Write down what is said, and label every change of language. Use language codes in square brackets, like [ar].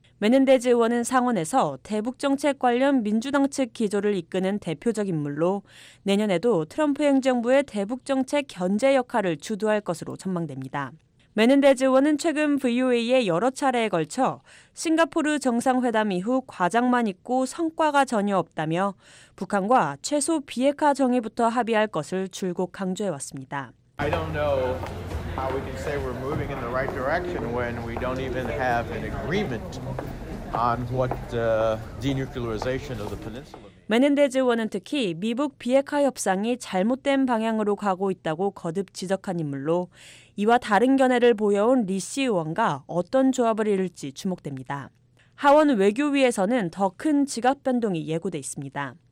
[ko] 메넨데즈 의원은 상원에서 대북정책 관련 민주당 측 기조를 이끄는 대표적 인물로 내년에도 트럼프 행정부의 대북정책 견제 역할을 주도할 것으로 전망됩니다. 메넨데즈 의원은 최근 VOA에 여러 차례에 걸쳐 싱가포르 정상회담 이후 과장만 있고 성과가 전혀 없다며 북한과 최소 비핵화 정의부터 합의할 것을 줄곧 강조해왔습니다. [en] I don't know how we can say we're moving in the right direction when we don't even have an agreement on what denuclearization of the peninsula. [ko] 메넨데즈 의원은 특히 미북 비핵화 협상이 잘못된 방향으로 가고 있다고 거듭 지적한 인물로 이와 다른 견해를 보여온 리 씨 의원과 어떤 조합을 이룰지 주목됩니다. 하원 외교위에서는 더 큰 지각 변동이 예고돼 있습니다.